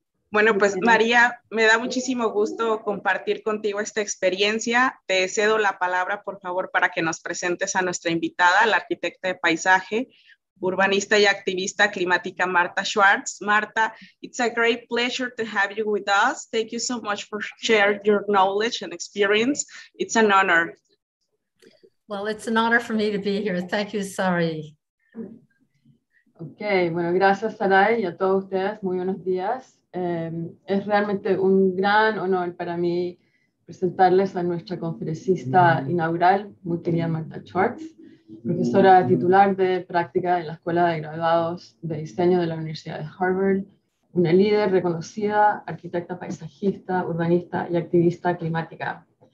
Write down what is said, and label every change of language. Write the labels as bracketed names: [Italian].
[Spanish] Bueno, pues María, me da muchísimo gusto compartir contigo esta experiencia. Te cedo la palabra, por favor, para que nos presentes a nuestra invitada, la arquitecta de paisaje, urbanista y activista climática Martha Schwartz. [English] Martha, it's a great pleasure to have you with us. Thank you so much for sharing your knowledge and experience. It's an honor. Well, it's an honor for me to be here. Thank you, Sarai. [Spanish] Okay, bueno, gracias, Sarai, y a todos ustedes. Muy buenos días. Es realmente un gran honor para mí presentarles a nuestra conferencista inaugural, muy querida Martha Schwartz, profesora titular de práctica en la Escuela de Graduados de Diseño de la Universidad de Harvard, una líder reconocida, arquitecta paisajista, urbanista y activista climática.